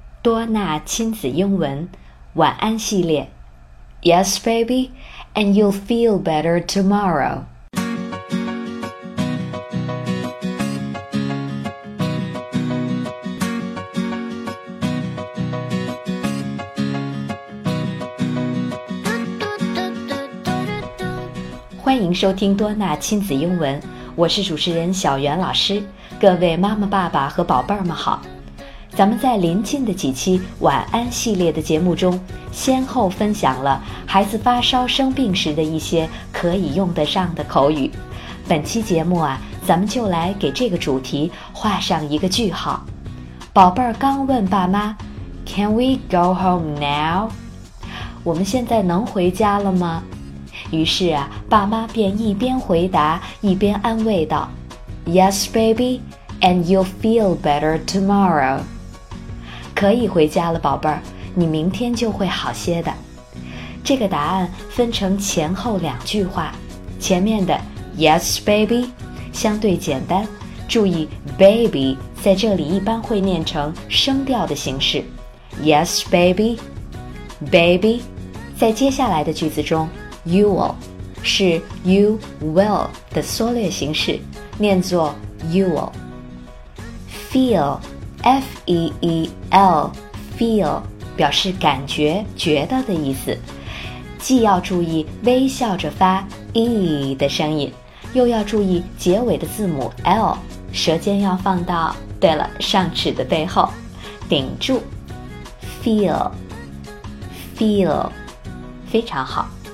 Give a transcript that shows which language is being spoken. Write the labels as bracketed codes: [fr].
[zh] 多纳亲子英文晚安系列。 [en] Yes, baby, and you'll feel better tomorrow. [zh] 欢迎收听多纳亲子英文，我是主持人小袁老师。各位妈妈爸爸和宝贝儿们好，咱们在临近的几期晚安系列的节目中，先后分享了孩子发烧生病时的一些可以用得上的口语。本期节目啊，咱们就来给这个主题画上一个句号。宝贝儿刚问爸妈 [en] Can we go home now? [zh] 我们现在能回家了吗？于是啊，爸妈便一边回答一边安慰道 [en] Yes, baby, and you'll feel better tomorrow. [zh] 可以回家了，宝贝儿，你明天就会好些的。这个答案分成前后两句话，前面的 Yes, baby 相对简单，注意 baby 在这里一般会念成声调的形式 [en] Yes, baby, baby. [zh] 在接下来的句子中，You will 是 you will 的缩略形式，念作 you will. Feel, F-E-E-L, feel 表示感觉、觉得的意思。既要注意微笑着发 e 的声音，又要注意结尾的字母 l， 舌尖要放到，对了，上齿的背后，顶住。 Feel, feel， 非常好。